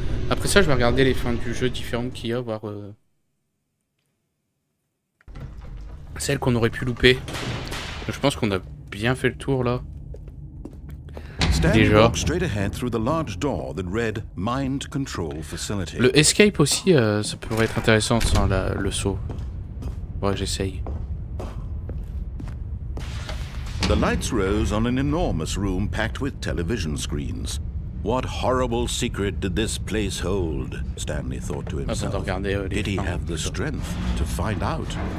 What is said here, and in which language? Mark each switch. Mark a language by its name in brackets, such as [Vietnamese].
[French] Après ça, je vais regarder les fins du jeu différentes qu'il y a, voir celles qu'on aurait pu louper. Je pense qu'on a bien fait le tour là. [English] Stanley walked straight ahead through the large door that read Mind Control Facility. [French] Le escape aussi, ça pourrait être intéressant sans la, le saut. Ouais, j'essaye. [English] The lights rose on an enormous room packed with television screens. What horrible secret did this place hold? Stanley thought to himself. [French] Attends, regardez, [English] did he have the strength to find out?